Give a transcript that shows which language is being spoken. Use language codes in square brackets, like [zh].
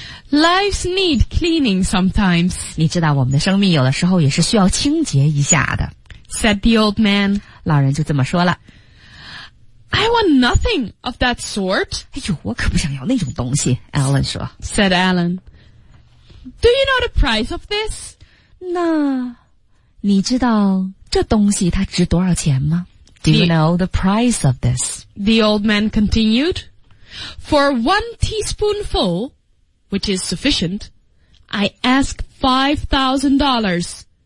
[en] Lives need cleaning sometimes. [zh] 你知道我们的生命有的时候也是需要清洁一下的。 [en] Said the old man. [zh] 老人就这么说了。 [en] I want nothing of that sort. [zh] 哎呦,我可不想要那种东西, Alan 说。 [en] Said Alan. Do you know the price of this? [zh] 那你知道这东西它值多少钱吗? [en] Do you know the price of this? The old man continued. For one teaspoonful, which is sufficient, I ask $5,000.